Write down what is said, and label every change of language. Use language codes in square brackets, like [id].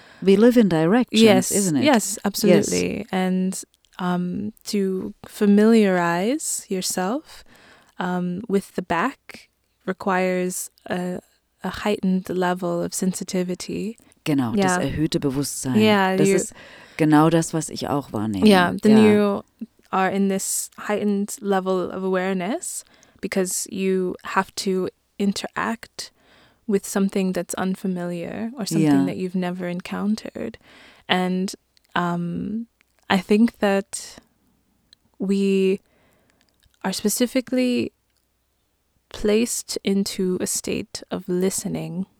[en] we live in directions, yes, isn't it? Yes, absolutely, yes. And to familiarize yourself with the back requires a heightened level of sensitivity. [de] Genau, [en] yeah. [de] Das erhöhte Bewusstsein. [en] Yeah, [de] das ist genau das, was ich auch wahrnehme. [en] Yeah, then yeah. you are in this heightened level of awareness because you have to interact with something that's unfamiliar or something yeah. that you've never encountered. And I think that we are specifically placed into a state of listening